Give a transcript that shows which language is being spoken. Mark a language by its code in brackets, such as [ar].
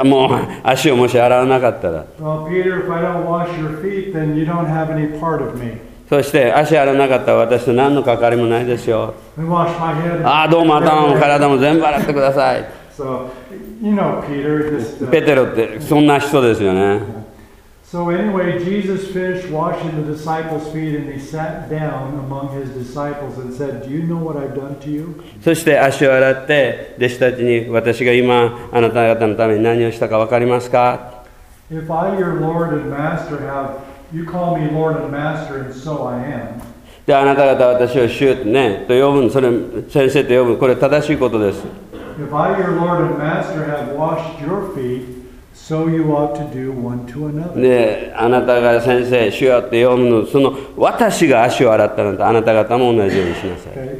[ja] もう足をもし洗わなかったら、 [en] well, Peter, if I don't wash your feet, then you don't have any part of me. [ja] そして足洗わなかったら私と何の関わりもないですよ。 [en] And wash my head. [ja] ああどうも頭も体も全部洗ってください。 [en] So, you know, Peter, [ja] ペテロってそんな人ですよね。 [en] So anyway, Jesus finished washing the disciples' feet, and he sat down among his disciples and said, "Do you know what I've done to you?" [ja] そして足を洗って弟子たちに私が今あなた方のために何をしたか分かりますか？ [en] If I, your Lord and Master, have you call me Lord and Master, and so I am. [ja] であなた方私を主ねと呼ぶ、それ先生と呼ぶ、これ正しいことです。 [en] If I, your Lord and Master, have washed your feet. So you ought to do one to another. [ja] ね、あなたが先生、主よって呼ぶの、その私が足を洗ったのとあなた方も同じようにしなさい。